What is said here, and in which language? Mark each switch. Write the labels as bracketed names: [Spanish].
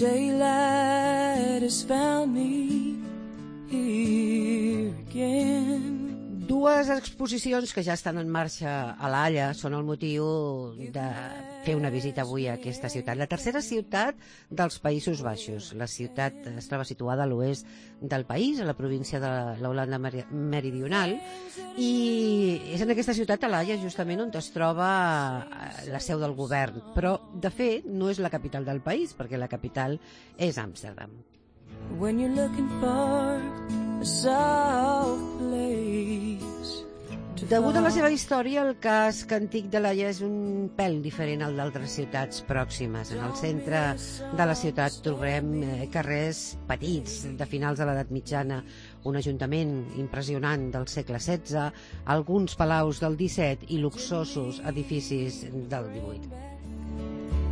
[English] Daylight has found me here again. [Catalan] Dues exposicions que ja estan en marxa a La Haia són el motiu de fer una visita avui a aquesta ciutat. La tercera ciutat dels Països Baixos. La ciutat es troba situada a l'oest del país, a la província de l'Holanda Meridional, i és en aquesta ciutat, a La Haia, justament on es troba la seu del govern. Però, de fet, no és la capital del país, perquè la capital és Amsterdam. [English] When you're looking for a soft place. [Catalan] Degut a la seva història, el casc antic de La Haia és un pèl diferent al d'altres ciutats pròximes. En el centre de la ciutat trobem carrers petits de finals de l'edat mitjana, un ajuntament impressionant del segle XVI, alguns palaus del XVII i luxosos edificis del XVIII.